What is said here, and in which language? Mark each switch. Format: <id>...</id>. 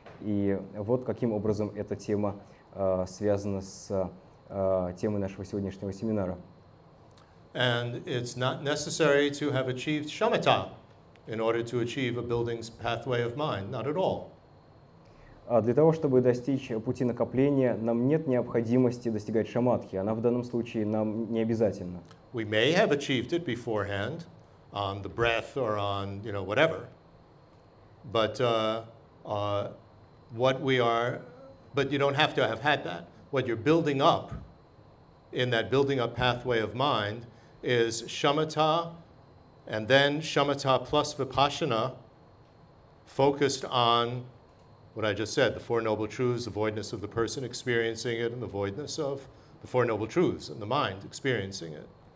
<ru>И вот каким образом эта тема связана с темой нашего сегодняшнего семинара.</ru> <en>And it's not necessary to have achieved shamatha in order to achieve a building's pathway of mind. Not at all.</en> <ru>Для того, чтобы достичь пути накопления, нам нет необходимости достигать шаматхи. Она в данном случае нам не обязательна.</ru> <en>We may have achieved it beforehand on the breath or on, you know, whatever. But but you don't have to have had that. What you're building up in that building up pathway of mind is shamatha, and then shamatha plus vipassana focused on what I just said, the Four Noble Truths, the voidness of the person experiencing it, and the voidness of the Four Noble Truths and the mind experiencing it.</en>